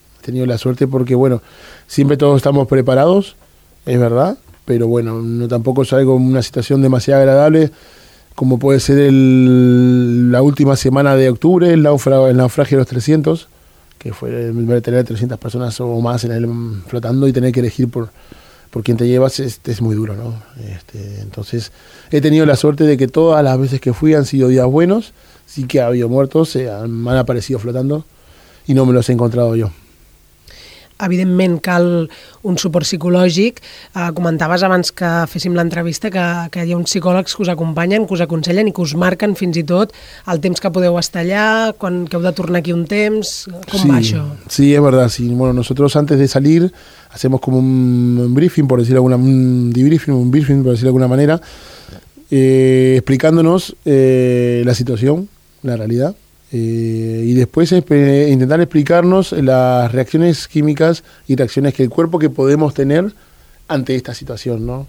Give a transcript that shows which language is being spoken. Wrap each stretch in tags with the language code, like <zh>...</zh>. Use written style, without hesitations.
<es>Tenido la suerte porque, bueno, siempre todos estamos preparados, es verdad, pero bueno, no, tampoco es algo, una situación demasiado agradable, como puede ser la última semana de octubre, el naufragio de los 300, que fue tener 300 personas o más en él flotando y tener que elegir por quién te llevas, es muy duro, ¿no? Entonces, he tenido la suerte de que todas las veces que fui han sido días buenos, sí que ha habido muertos, han aparecido flotando y no me los he encontrado yo.</es> <ca>Evidentment cal un suport psicològic. Comentaves abans que féssim l'entrevista que hi ha uns psicòlegs que us acompanyen, que us aconsellen i que us marquen fins i tot el temps que podeu estar allà, quan que heu de tornar aquí un temps. Com sí, va això?</ca> <es>Sí, es verdad. Sí. Bueno, nosotros antes de salir hacemos como un briefing, por decirlo de alguna manera, explicándonos la situación, la realidad, Y después intentar explicarnos las reacciones químicas y reacciones que el cuerpo que podemos tener ante esta situación, ¿no?</es>